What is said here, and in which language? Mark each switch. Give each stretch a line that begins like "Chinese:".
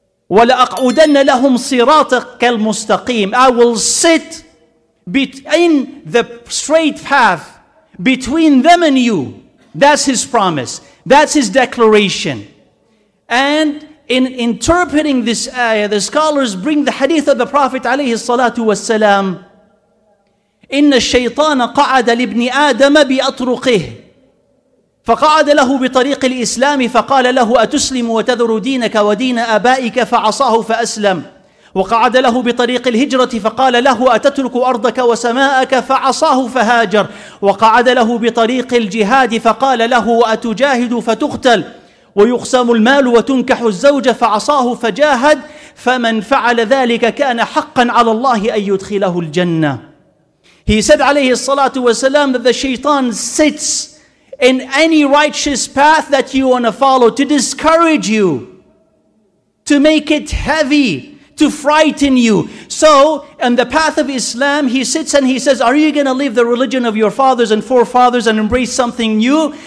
Arabic: وَلَأَقْعُدَنَّ لَهُمْ صِرَاطَكَ الْمُسْتَقِيمِ.
English: I will sit in the straight path between them and you. That's His promise. That's His declaration. And in interpreting this ayah, the scholars bring the hadith of the Prophet
Arabic: عليه الصلاة والسلام. إِنَّ الشَّيْطَانَ قَعَدَ لِبْنِ آدَمَ بِأَطْرُقِهِ فَقَعَدَ لَهُ بِطَرِيقِ الْإِسْلَامِ فَقَالَ لَهُ أَتُسْلِمُ وَتَذَرُ دِينَكَ وَدِينَ أَبَائِكَ فَعَصَاهُ فَأَسْلَمَ وقعد له بطريق الهجرة فقال له أتترك أرضك وسماءك فعصاه فهاجر وقعد له بطريق الجهاد فقال له أتجاهد فتقتل ويقسم المال وتنكح الزوجة فعصاه فجاهد فمن فعل ذلك كان حقا على الله أن يدخله الجنة.
English: He said
Arabic: عليه الصلاة والسلام
English: that the shaitan sits in any righteous path that you want to follow to discourage you, to make it heavy, to frighten you. So, in the path of Islam, he sits and he says, are you going to leave the religion of your fathers and forefathers and embrace something new?